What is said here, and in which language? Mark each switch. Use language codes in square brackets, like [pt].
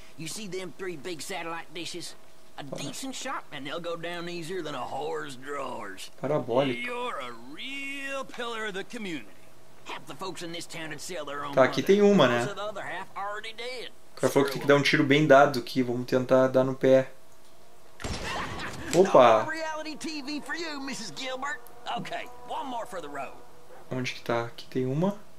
[pt] Você vê esses três grandes satélites de dishes? [en] A decent shot and they'll go down easier than a whore's drawers. Parabólico. You're a real pillar of the community. Half the folks in this town would sell their own. [pt] Tá, aqui tem uma, né? O cara falou que tem que dar um tiro bem dado, que vamos tentar dar no pé. [en] Opa. Reality TV for you, Mrs. Gilbert. Okay, one more for the road. [pt] Onde que tá? Aqui tem uma.